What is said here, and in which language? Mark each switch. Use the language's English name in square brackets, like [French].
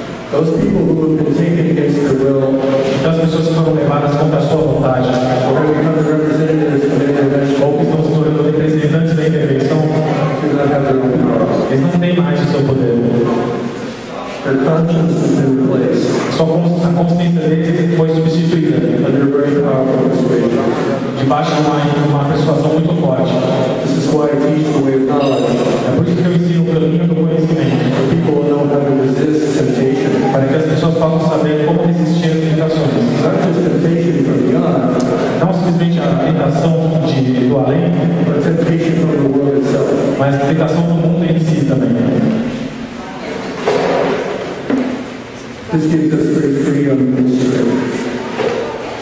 [English] Those people who have been taken against their will. [Portuguese] Então, as pessoas que foram levadas contra a sua vontade. [English] Or become the representatives of the intervention. [Portuguese] Ou que estão se tornando representantes da intervenção. [English] They do not have their own power. [Portuguese] Eles não têm mais o seu poder. [English] Their conscience has been replaced. [Portuguese] A consciência deles foi substituída. [English] Under a very powerful persuasion. [Portuguese] Debaixo de uma persuasão muito forte. [English] This is why I teach the way of knowledge. [Portuguese] É por isso que eu ensino o caminho do conhecimento. [English] So people will know how to resist temptation. [Portuguese] Para que as pessoas possam saber como resistir às tentações. [English] Not just temptation from beyond. [Portuguese] Não simplesmente a tentação do além. [English] But temptation from the world itself. [Portuguese] Mas a tentação do mundo em si também. [English] This gives us great freedom in this world.